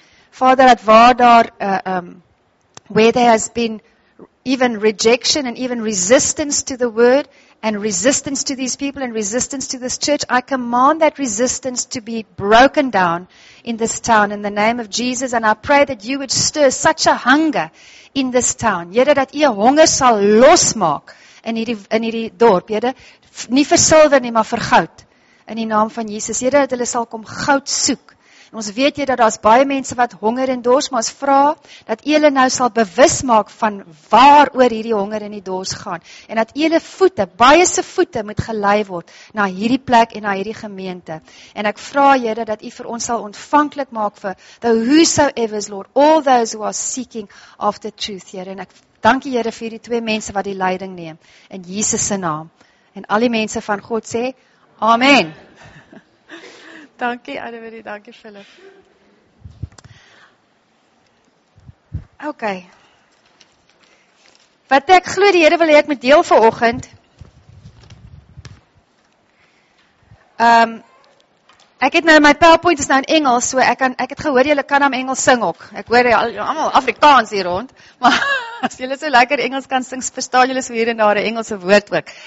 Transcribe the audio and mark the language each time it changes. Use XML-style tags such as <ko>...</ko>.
<af>Vader, dat waar daar</af> <en>where there has been even rejection and even resistance to the word and resistance to these people and resistance to this church, I command that resistance to be broken down in this town in the name of Jesus, and I pray that you would stir such a hunger in this town.</en> <af>Here dat u honger sal losmaak in hierdie dorp, Here. Nie vir silwer nie, maar vir goud. In die naam van Jesus. Here, dat hulle sal kom goud soek. En ons weet, Here, dat daar's baie mense wat honger en dors, maar ons vra dat u hulle nou sal bewus maak van waar oor hierdie honger en die dors gaan. En dat hulle voete, baie se voete, moet gelei word na hierdie plek en na hierdie gemeente. En ek vra, Here, dat u vir ons sal ontvanklik maak vir</af> <en>the whosoever's, Lord, all those who are seeking after truth,</en> <af>Here. En ek dank u, Here, vir hierdie twee mense wat die leiding neem. In Jesus se naam. En al die mense van God sê, Amen. Dankie, Adewiri, dankie, Philip. Ok. Wat ek glo die Here wil ek met deel vanoggend, ek het nou, my PowerPoint is nou in Engels, so ek het gehoor, julle kan hom Engels sing ook. Ek hoor allemaal Afrikaans hier rond, maar as julle so lekker Engels kan sing, verstaan julle so hier en daar 'n Engelse woord ook.</af>